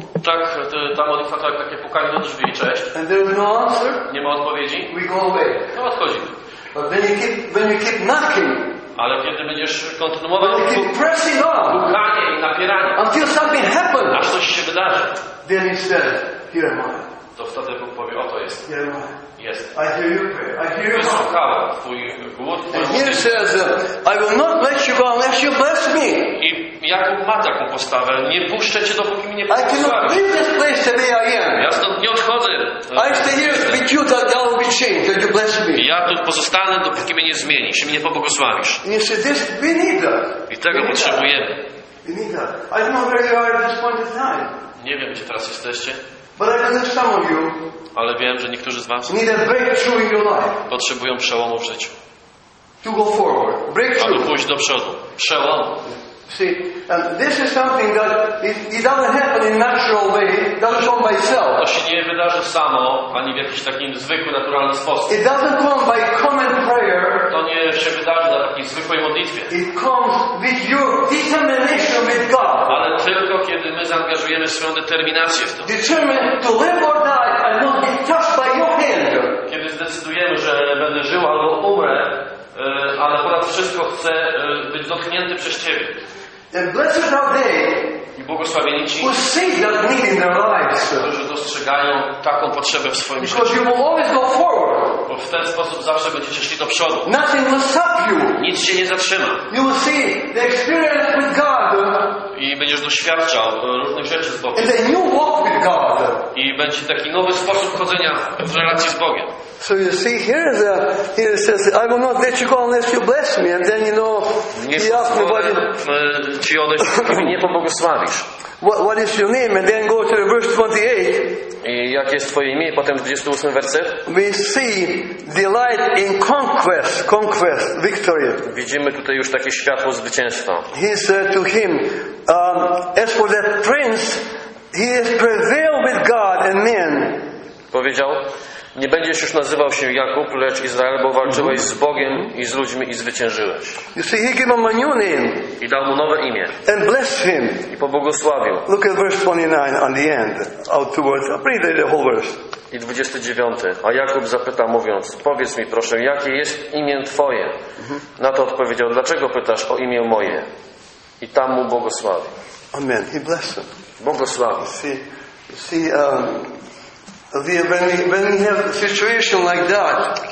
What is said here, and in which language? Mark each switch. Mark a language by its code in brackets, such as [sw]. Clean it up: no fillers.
[pl] Tak, ta modlitwa tak takie pukanie do drzwi, cześć. [en] And there is no answer. [pl] Nie ma odpowiedzi. [en] We go away. [pl] No odchodzimy. [en] But when you keep knocking. [pl] Ale kiedy będziesz kontynuował pukanie i napieranie, [en] until something happens, [pl] aż coś się wydarzy, [en] then he said, here am I. [pl] To wtedy Bóg powie, oto jest. [en] Here am I. [pl] Jest. [en] I hear your prayer. I hear your [pl] wysłuchałem twój głód. [en] And here says, I will not let you go unless you bless me. [pl] I Jakub ma taką postawę, nie puszczę cię, dopóki mnie nie pobłogosławisz. Ja stąd nie odchodzę. [en] I stay here with you that God will be changed, that you bless me. [pl] Ja tu pozostanę, dopóki mnie nie zmienisz i mnie nie pobłogosławisz. [en] And he said, this, we need that. [pl] I tego [en] we [pl] potrzebujemy. [en] We need that. I don't know where you are at this point in time. [pl] Nie wiem, gdzie teraz jesteście. [en] But I know some of you, [pl] ale wiem, że niektórzy z was [en] need a breakthrough in your life. [pl] Potrzebują przełomu w życiu. [en] To go forward. Breakthrough. [pl] Aby pójść do przodu. Przełom. [en] See, this is something that it doesn't happen in natural way. It doesn't come by itself. [pl] To się nie wydarzy samo, ani w jakiś taki zwykły, naturalny sposób. [en] It doesn't come by common prayer. [pl] To nie się wydarzy na takiej zwykłej modlitwie. [en] It comes with your determination with God. [pl] Ale tylko kiedy my zaangażujemy swoją determinację w to. [en] Determined to live or die and not be touched by your hand. [pl] Kiedy zdecydujemy, że będę żył albo umrę, ale ponad wszystko chcę być dotknięty przez Ciebie. [en] And blessed are they, [pl] i błogosławieni ci, [en] who see that need in their lives, [pl] którzy dostrzegają taką potrzebę w swoim życiu. [en] Because you will always go forward. [pl] Bo w ten sposób zawsze będziecie szli do przodu. [en] Nothing will stop you. [pl] Nic się nie zatrzyma. [en] You will see the experience with God. [pl] I będziesz doświadczał różnych rzeczy z Bogiem. [en] And a new walk with God. [pl] I będzie taki nowy sposób chodzenia w relacji z Bogiem. [en] So you see, here it says, I will not let you go unless you bless me. And then you know, [pl] nie [en] he asked me, what is... [pl] ci odejść, nie pobłogosławisz. [en] What is your name? And then go to verse 28. [pl] I jakie jest twoje imię? Potem 28 werset. [en] We see delight in conquest, victory. [pl] Widzimy tutaj już takie światło zwycięstwa. [en] He said to him, as for that prince, he has prevailed with God and men. [pl] Powiedział, nie będziesz już nazywał się Jakub, lecz Izrael, bo walczyłeś z Bogiem i z ludźmi i zwyciężyłeś. [en] You see, he gave him a new name. [pl] I dał mu nowe imię. [en] And blessed him. [pl] I pobłogosławił. [en] Look at verse 29 on the end, out towards. I'll read the whole verse. [pl] I 29. A Jakub zapytał, mówiąc, powiedz mi proszę, jakie jest imię twoje? Na to odpowiedział, dlaczego pytasz o imię moje? I tam mu błogosławił. [en] Amen. He blessed him. [pl] Błogosławił. [en] When we have a situation like that,